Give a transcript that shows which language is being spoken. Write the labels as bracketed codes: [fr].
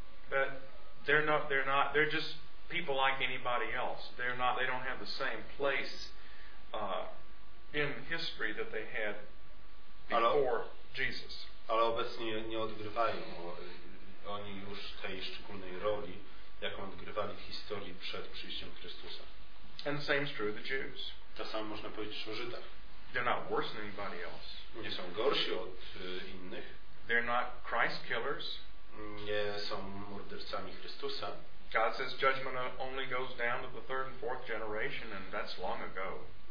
[en] But they're just people like anybody else. They don't have the same place in history that they had before Jesus. [pl] Ale obecnie nie odgrywają oni już tej szczególnej roli, jaką odgrywali w historii przed przyjściem Chrystusa. [en] And the same is true of the Jews. [pl] To samo można powiedzieć o Żydach. [en] They're not worse than anybody else. [pl] Nie są gorsi od innych. [en] They're not Christ killers. [pl] Nie są mordercami Chrystusa. [en] God says judgment only goes down to the third and fourth generation, and that's long ago.